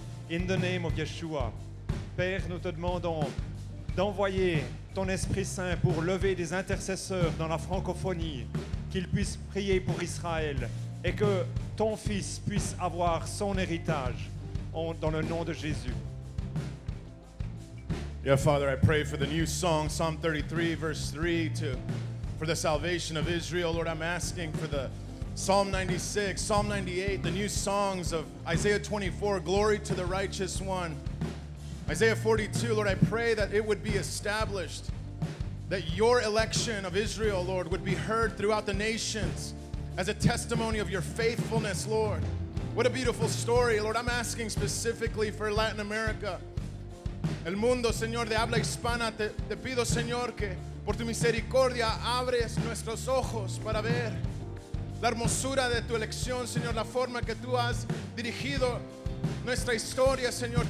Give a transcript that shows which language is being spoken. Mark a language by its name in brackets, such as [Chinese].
[French] In the name of Yeshua, Père, nous te demandons d'envoyer ton Esprit Saint pour lever des intercesseurs dans la francophonie, qu'ils puissent prier pour Israël et que ton Fils puisse avoir son héritage dans le nom de Jésus. [English] Yeah, Father, I pray for the new song, Psalm 33, verse 3, for the salvation of Israel. Lord, I'm asking for the Psalm 96, Psalm 98, the new songs of Isaiah 24, glory to the righteous one. Isaiah 42, Lord, I pray that it would be established, that your election of Israel, Lord, would be heard throughout the nations as a testimony of your faithfulness, Lord. What a beautiful story, Lord. I'm asking specifically for Latin America. [Spanish] El mundo, Señor, de habla hispana, te pido, Señor, que por tu misericordia abres nuestros ojos para ver la hermosura de tu elección, Señor, la forma que tú has dirigido nuestra historia, Señor.